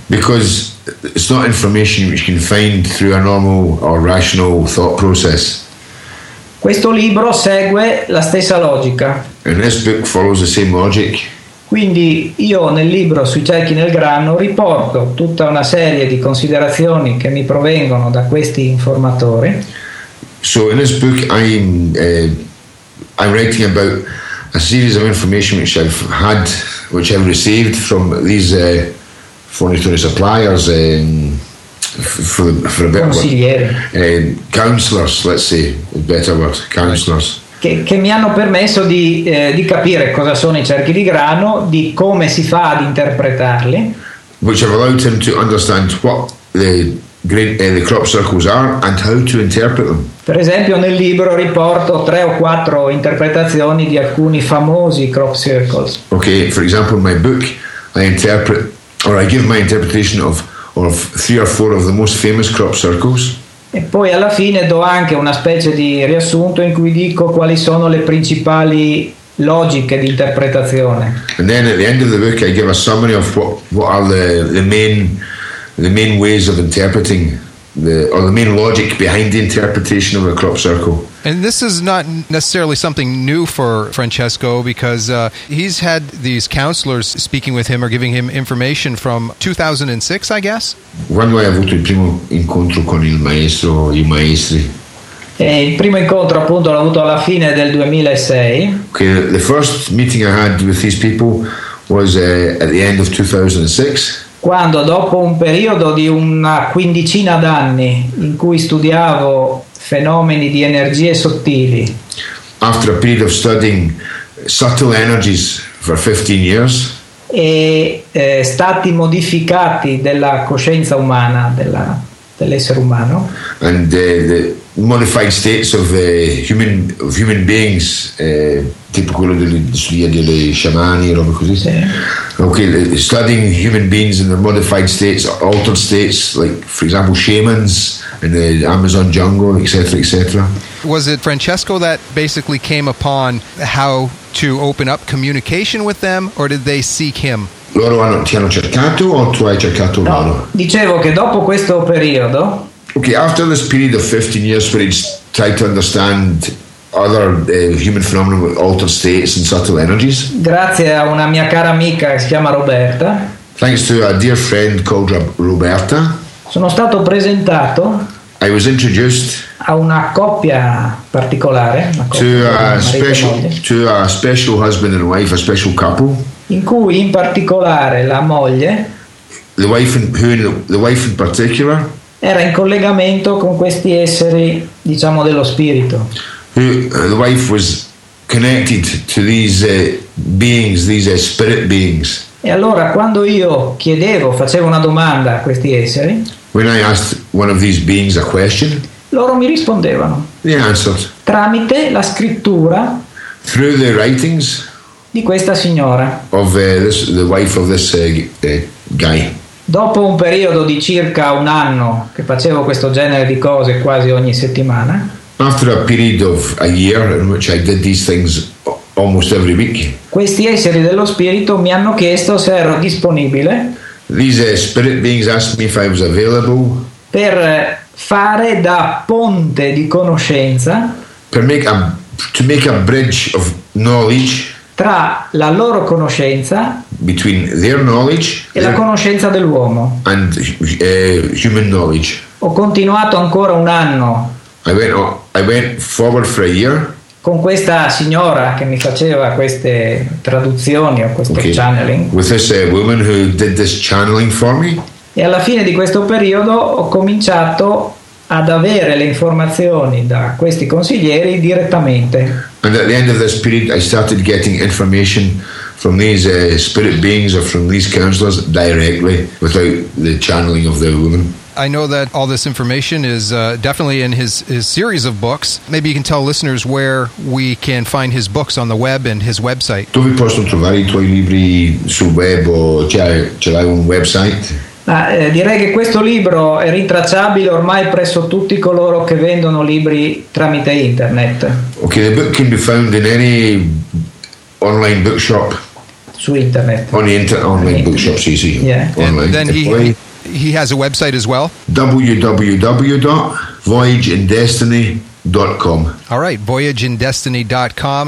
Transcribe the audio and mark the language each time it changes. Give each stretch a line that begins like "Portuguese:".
English: Because it's not information which you can find through a normal or rational thought process.
Italian: Questo libro segue la stessa logica.
English: And this book follows the same logic.
Italian: Quindi io nel libro sui cerchi nel grano riporto tutta una serie di considerazioni che mi provengono da questi informatori.
English: So in this book I'm writing about a series of information which I've had, which I've received from these fornitori suppliers, for a bit
Italian: consigliere,
English: counselors, let's say, a better word, counselors.
Italian: Che mi hanno permesso di capire cosa sono i cerchi di grano, di come si fa ad interpretarli.
English: Which have allowed him to understand what the crop circles are and how to interpret them.
Italian: Per esempio, nel libro riporto tre o quattro interpretazioni di alcuni famosi crop circles.
English: Okay, for example, in my book, I interpret or I give my interpretation of three or four of the most famous crop circles.
Italian: E poi alla fine do anche una specie di riassunto in cui dico quali sono le principali logiche di interpretazione.
English: And then at the end of the book I give a summary of what are the main ways of interpreting the main logic behind the interpretation of a crop circle. And this is not necessarily something new for Francesco, because he's had these counselors speaking with him or giving him information from 2006, I guess.
Italian: Quando hai avuto il primo incontro con il maestro, i maestri? Il primo incontro appunto l'ho avuto alla fine del 2006.
English: Okay, the first meeting I had with these people was at the end of 2006.
Italian: Quando, dopo un periodo di una quindicina d'anni in cui studiavo fenomeni di energie sottili,
English: after a period of studying subtle energies for 15 years,
Italian: e stati modificati della coscienza umana, dell'essere umano,
English: and the modified states of human beings,
Italian: tipo quello di studia delle sciamani e robe così. Sì.
English: Okay, studying human beings in their modified states, altered states, like for example shamans in the Amazon jungle, etc., etc. Was it Francesco that basically came upon how to open up communication with them, or did they seek him?
Italian: Loro ti hanno cercato, o tu hai cercato loro? No, dicevo che dopo questo periodo.
English: Okay, after this period of 15 years where he tried to understand other human phenomena with altered states and subtle energies.
Italian: Grazie a una mia cara amica che si chiama Roberta.
English: Thanks to a dear friend called Roberta.
Italian: Sono stato presentato.
English: I was introduced.
Italian: A una coppia particolare.
English: To a special husband and wife, a special couple.
Italian: In cui in particolare la moglie.
English: The wife in particular.
Italian: Era in collegamento con questi esseri, diciamo, dello spirito.
English: The wife was connected to these beings, these spirit beings.
Italian: E allora quando io facevo una domanda a questi esseri,
English: when I asked one of these beings a question,
Italian: loro mi rispondevano.
English: They answered.
Italian: Tramite la scrittura.
English: Through the writings.
Italian: Di questa signora.
English: Of the wife of this guy.
Italian: Dopo un periodo di circa un anno che facevo questo genere di cose quasi ogni settimana.
English: After a period of a year in which I did these things almost every week.
Italian: Questi esseri dello spirito mi hanno chiesto se ero disponibile.
English: These spirit beings asked me if I was available.
Italian: Per fare da ponte di conoscenza.
English: To make a bridge of knowledge.
Italian: Tra la loro conoscenza.
English: Between their knowledge.
Italian: E la conoscenza dell'uomo.
English: And human knowledge.
Italian: Ho continuato ancora un anno.
English: I went forward for a year.
Italian: Con questa signora che mi faceva queste traduzioni o questo okay.
English: Channeling. With this woman who did this channeling for me.
Italian: E alla fine di questo periodo ho cominciato ad avere le informazioni da questi consiglieri direttamente.
English: And at the end of this period I started getting information from these spirit beings or from these counselors directly without the channeling of the woman. I know that all this information is definitely in his series of books. Maybe you can tell listeners where we can find his books on the web and his website.
Italian: Dove posso trovare i tuoi libri sul web o ce l'hai un website? Direi che questo libro è rintracciabile ormai presso tutti coloro che vendono libri tramite internet.
English: Okay, the book can be found in any online bookshop.
Italian: Su internet.
English: On the online bookshop, sì. Yeah. Online. And then he has a website as well. www.voyageanddestiny.com. All right, voyageanddestiny.com.